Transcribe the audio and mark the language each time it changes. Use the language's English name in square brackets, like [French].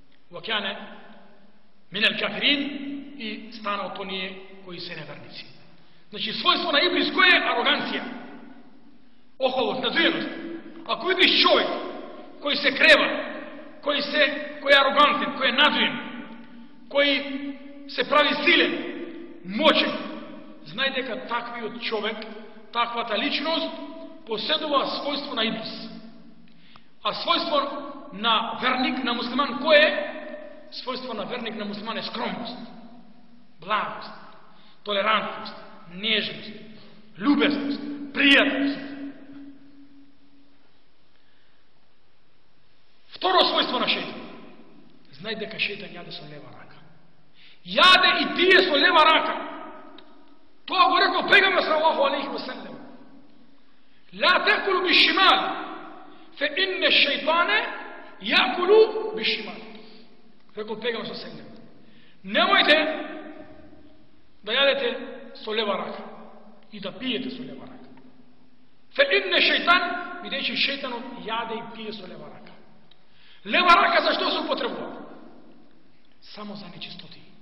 [Macedonian] Океане, минел кафирин и стана от оние кои се неверници. Значи, својство на Иблис кој е ароганција? Охолот, надуеност. Ако видиш човек кој се крева, кој е арогантен, кој е надуен, кој се прави силен, мочен, знај дека таквиот човек, таквата личност поседува својство на Иблис. А својство на верник, на муслиман, кој е? Својство на верник, на муслиман е скромност, благост, толерантност, нежност, любезност, пријатност. Второ својство на шејтан. Знај дека шејтан јаде со лева рака. Јаде и пие со лева рака. Тоа го рекол Пејгамбер саллаллаху алейхи ва саллем. [Arabic] لا تاكلوا بالشمال فان الشيطان ياكل بالشمال. [Macedonian] Рекол Пејгамбер саллаллаху алейхи ва саллем. Немојте да јадете со лева рака и да пиете со лева рака. [Arabic] فان الشيطان, [Macedonian] бидејќи шејтанот јаде и пие со лева рака. Лева рака за што се употребува? Само за нечистоти.